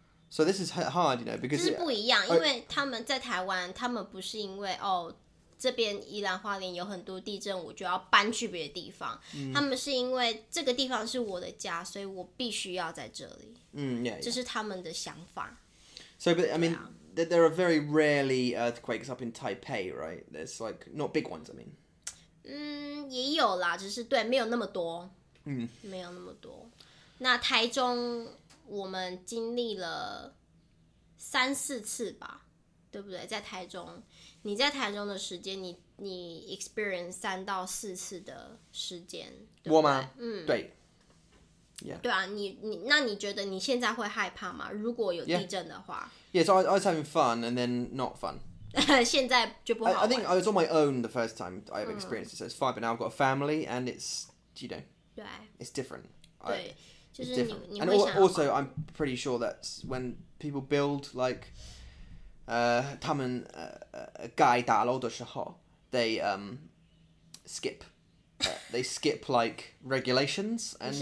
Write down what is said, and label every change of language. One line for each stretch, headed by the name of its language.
English: So this is hard, you know, because
Chinese: 这是不一样，因为他们在台湾，他们不是因为哦。这边宜兰花莲有很多地震，我就要搬去别的地方、嗯。他们是因为这个地方是我的家，所以我必须要在这里。嗯 ，Yeah，这是他们的想法。
English: So, but I mean,、yeah. there are very rarely earthquakes up in Taipei, right? There's like not big ones. I mean,
Chinese: 嗯，也有啦，只是对，没有那么多。嗯，没有那么多。那台中，我们经历了三四次吧。对不对？在台中，你在台中的时间，你 experience 三到四次的时间，对不对？我吗？嗯，对， yeah. 对啊，那你觉得你现在会害怕吗？如果有地震的话
English: ？Yeah, so I was having fun and then not fun.
Chinese: 现在就不好玩。
English: I think I was on my own the first time I experienced it. So it's fine, but now I've got a family and it's, you know,
Chinese: 对
English: ，it's different.
Chinese: 对，
English: I,
Chinese: 就是你会想要玩。
English: And also, I'm pretty sure that when people build like
Chinese: 他们盖大楼的时候
English: they skip like regulations and